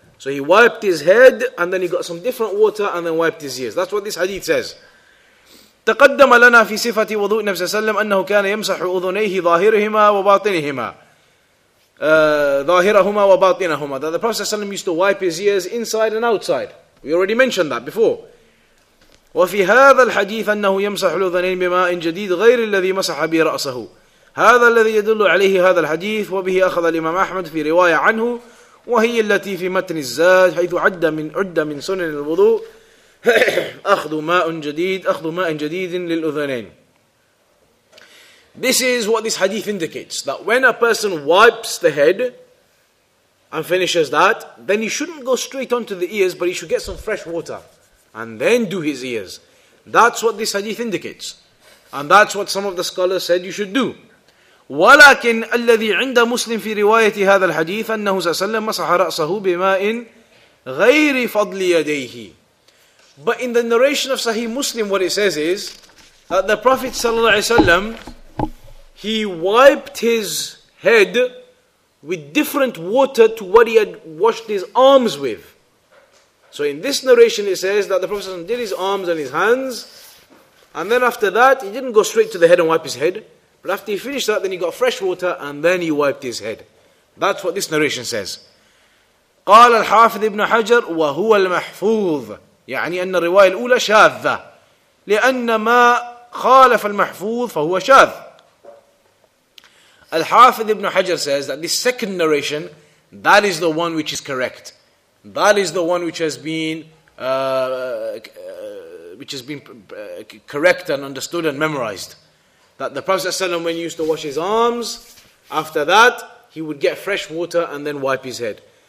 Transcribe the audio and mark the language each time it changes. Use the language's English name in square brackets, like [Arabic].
[English] So he wiped his head and then he got some different water and then wiped his ears. That's what this hadith says. [Arabic] تَقَدَّمَ لَنَا فِي صِفَةِ وَضُوءِ النَّبِيِّ صَلَّى اللَّهُ عَلَيْهِ وَسَلَّمْ أَنَّهُ كَانَ ظاهرهما وباطنهما. [English] That the Prophet ﷺ used to wipe his ears inside and outside. We already mentioned that before. [Arabic] وفي هذا الحديث أنه يمسح الأذنين بماء جديد غير الذي مسح به رأسه. هذا الذي يدل عليه هذا الحديث وبه أخذ الإمام أحمد في رواية عنه وهي التي في متن الزاد حيث عد من سنن الوضوء أخذ ماء جديد للأذنين. [English] This is what this hadith indicates, that when a person wipes the head and finishes that, then he shouldn't go straight onto the ears, but he should get some fresh water and then do his ears. That's what this hadith indicates. And that's what some of the scholars said you should do. [Arabic] وَلَكِنْ أَلَّذِي عِنْدَ مُسْلِمْ فِي رِوَايَةِ هَذَا الْحَدِيثِ أَنَّهُ سَلَّمَ مَسَحَ رَأْسَهُ بِمَاءٍ غَيْرِ فَضْلِ يَدَيْهِ. [English] But in the narration of Sahih Muslim, what it says is that the Prophet ﷺ, he wiped his head with different water to what he had washed his arms with. So in this narration it says that the Prophet ﷺ did his arms and his hands, and then after that he didn't go straight to the head and wipe his head, but after he finished that, then he got fresh water and then he wiped his head. That's what this narration says. [Arabic] قال الحافظ ابن حجر وهو المحفوظ يعني أن الرواية الأولى شاذة لأن ما خالف المحفوظ فهو شاذ. [English] الحافظ ابن حجر says that the second narration, that is the one which is correct. That is the one which has been correct and understood and memorized. That the Prophet ﷺ, when he used to wash his arms, after that he would get fresh water and then wipe his head.